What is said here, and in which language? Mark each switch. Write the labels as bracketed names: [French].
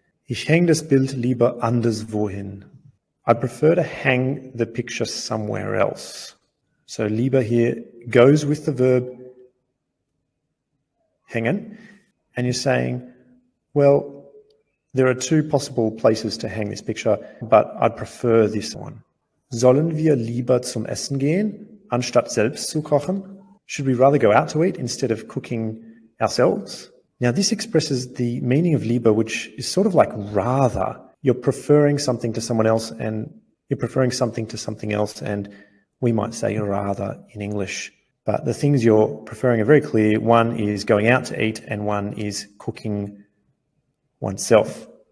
[German] Ich hänge das Bild lieber anderswohin. [English] I prefer to hang the picture somewhere else. So lieber here goes with the verb hängen. And you're saying, well, there are two possible places to hang this picture, but I'd prefer this one. [German] Sollen wir lieber zum Essen gehen, anstatt selbst zu kochen? [English] Should we rather go out to eat instead of cooking ourselves? Now, this expresses the meaning of lieber, which is sort of like rather. You're preferring something to someone else, and you're preferring something to something else, and we might say rather in English. But the things you're preferring are very clear. One is going out to eat, and one is cooking oneself.